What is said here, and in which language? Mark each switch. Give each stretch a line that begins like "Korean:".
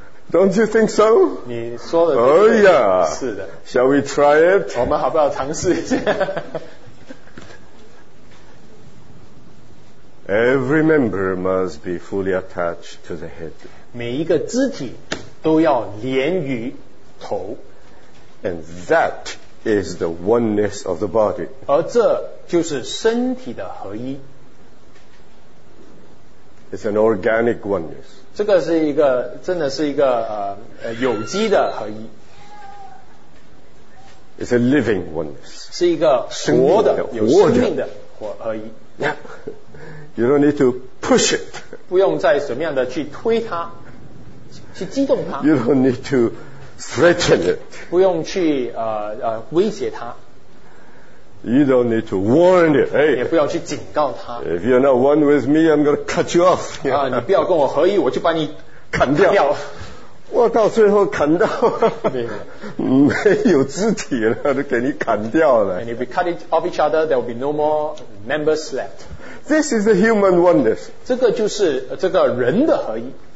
English: Don't you think so?
Chinese: 你说的对。
English: Oh yeah.
Chinese: 是的。
English: Shall we try it?
Chinese: 我们好不好尝试一下？
English: Every member must be fully attached to the head.
Chinese: 每一个肢体都要连于头。
English: And that is the oneness of the body.
Chinese: 而这就是身体的合一。
English: It's an organic oneness.
Chinese: 这个是一个，真的是一个有机的合一。
English: It's a living oneness.
Chinese: 是一个活的，有生命的合一。
English: You don't need to push it.
Chinese: 不用再怎么样的去推它，去激动它。
English: You don't need to threaten it.
Chinese: 不用去威胁它。
English: You don't need to warn it.
Chinese: 也不要去警告它。
English: If you're not one with me, I'm going to cut you off.
Chinese: 你不要跟我合一，我就把你砍掉。我到最后砍到没有肢体了，都给你砍掉了。
English: And if we cut it off each other, there will be no more members left. This is the human oneness.
Chinese: 这个就是这个人的合一。